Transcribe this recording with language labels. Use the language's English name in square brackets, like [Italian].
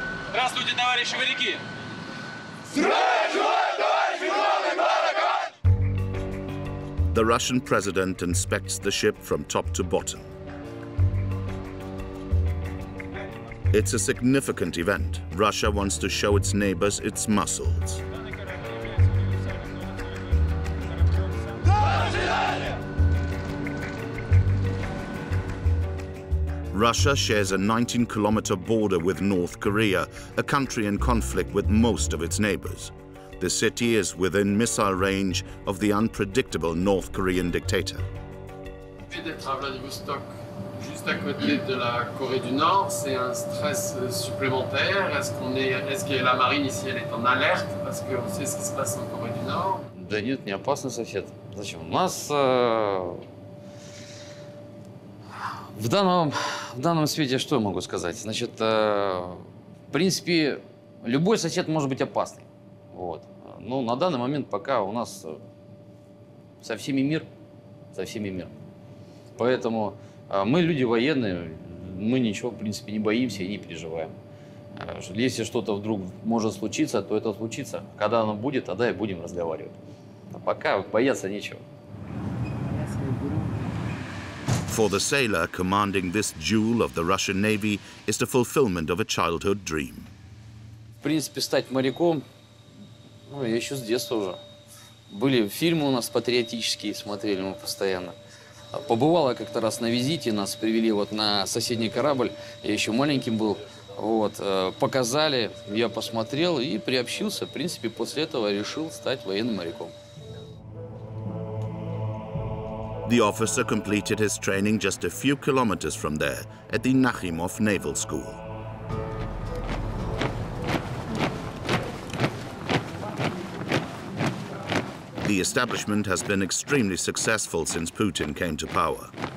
[Russian] Здравствуйте, товарищи моряки. Здравия желаю, товарищ главный моряк. [English] The Russian president inspects the ship from top to bottom. It's a significant event. Russia wants to show its neighbors its muscles. Russia shares a 19-kilometer border with North Korea, a country in conflict with most of its neighbors. The city is within missile range of the unpredictable North Korean dictator. [French] D'être à Vladivostok, juste à côté de la Corée du Nord, c'est un stress supplémentaire. Est-ce que la marine ici, elle est en alerte parce qu'on sait ce qui se passe en Corée du Nord? [Russian] Да нет, не опасно, сосед. Зачем? У нас в данном свете что я могу сказать? Значит, в принципе, любой сосед может быть опасным. Вот. Ну, на данный момент пока у нас со всеми мир. Поэтому мы люди военные, мы ничего, в принципе, не боимся и не переживаем. Если что-то вдруг может случиться, то это случится. Когда оно будет, тогда и будем разговаривать. А пока бояться нечего. [English] For the sailor, commanding this jewel of the Russian Navy is the fulfillment of a childhood dream. [Russian] В принципе, стать моряком... Ну, я еще с детства уже. Были фильмы у нас патриотические, смотрели мы постоянно. Побывала как-то раз на визите, нас привели вот на соседний корабль. Я еще маленьким был. Вот, показали, я посмотрел и приобщился. В принципе, после этого решил стать военным моряком. [English] The officer completed his training just a few kilometers from there, at the Nachimov Naval School. Thank you. The establishment has been extremely successful since Putin came to power.